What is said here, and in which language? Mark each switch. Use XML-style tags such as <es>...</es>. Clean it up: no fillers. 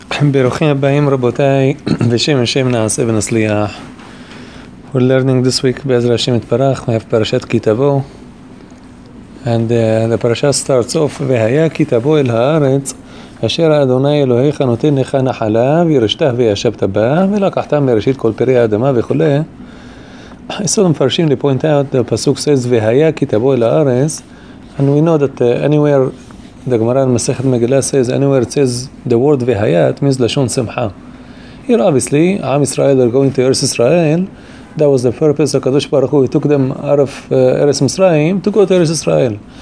<he>ברוכים הבאים רבותיי, בשם השם נעשה ונצליח.</he> <en>We're learning this week</en> <he>בעזרת השם יתברך,</he> <en>we have פרשת כי תבוא. And the parasha starts off,</en> <he>והיה כי תבוא אל הארץ, אשר אדוני אלוהיך נותן לך נחלה, וירשתה וישבת בה, ולקחת מראשית כל פרי האדמה וכו'.</he> <en>So the מפרשים to point out, the pasuk says,</en> <he>והיה כי תבוא אל הארץ,</he> <en>and we know that anywhere the Gemara in Masechet Megillah says, anywhere it says the word Vehayat means Lashon Simcha. Here obviously, Am Israel are going to Eretz Israel. That was the purpose of Kadosh Baruch Hu. He took them out of Eretz Mitzrayim to go to Eretz Israel.</en>